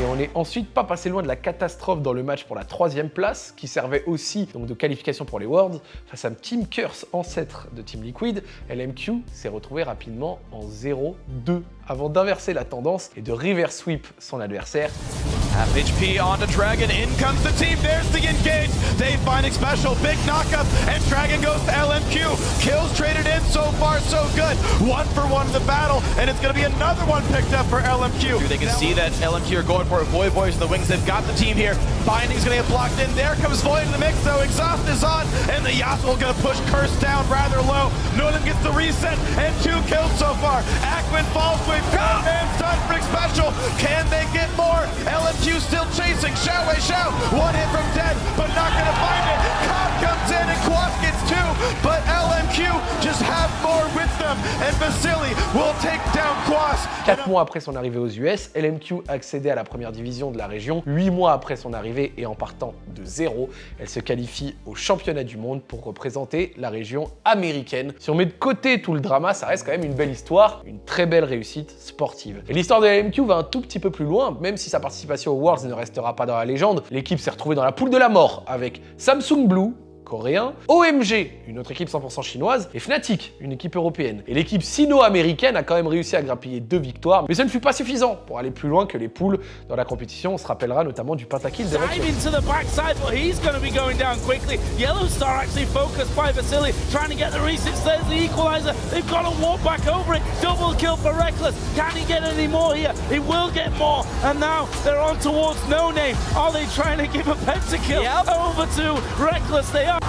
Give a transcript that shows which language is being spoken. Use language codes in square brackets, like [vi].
[fr] Et on n'est ensuite pas passé loin de la catastrophe dans le match pour la 3ème place, qui servait aussi donc de qualification pour les Worlds, face à Team Curse, ancêtre de Team Liquid. LMQ s'est retrouvé rapidement en 0-2 avant d'inverser la tendance et de reverse sweep son adversaire. [en] Half HP onto Dragon, in comes the team, there's the engage, they find a special, big knockup, and Dragon goes to LMQ, kills traded in, so far so good, one for one in the battle, and it's gonna be another one picked up for LMQ. They can see that LMQ are going for it, Void Boys in the wings, they've got the team here, Binding's gonna get blocked in, there comes Void in the mix though, Exhaust is on, and the Yasuo gonna push Curse down rather low, Nolan gets the reset, and 2 kills so far, Ackman falls with Kahn, and Sunfreak special, can they get more, LMQ still chasing, Xiao Wei Xiao, one hit from dead, but not gonna find it, Kahn comes in and Quas gets 2, but LMQ just have more with them, and Vasili will take down Quas. [fr] 4 mois après son arrivée aux US, LMQ accédait à la première division de la région. 8 mois après son arrivée et en partant de 0, elle se qualifie au championnat du monde pour représenter la région américaine. Si on met de côté tout le drama, ça reste quand même une belle histoire, une très belle réussite sportive. Et l'histoire de LMQ va un tout petit peu plus loin, même si sa participation aux Worlds ne restera pas dans la légende. L'équipe s'est retrouvée dans la poule de la mort avec Samsung Blue, coréen, OMG, une autre équipe 100% chinoise, et Fnatic, une équipe européenne. Et l'équipe sino-américaine a quand même réussi à grappiller 2 victoires, mais ce ne fut pas suffisant pour aller plus loin que les poules dans la compétition. On se rappellera notamment du pentakill de Rekkles. [en] Dive into the backside, but he's gonna be going down quickly. Yellowstar actually focused by Vasili, trying to get the reset, there's the equalizer, they've got a warp back over it, double kill for Rekkles, can he get any more here? He will get more, and now they're on towards No Name. Are they trying to give a pentakill? Yep. Over to Rekkles, they are.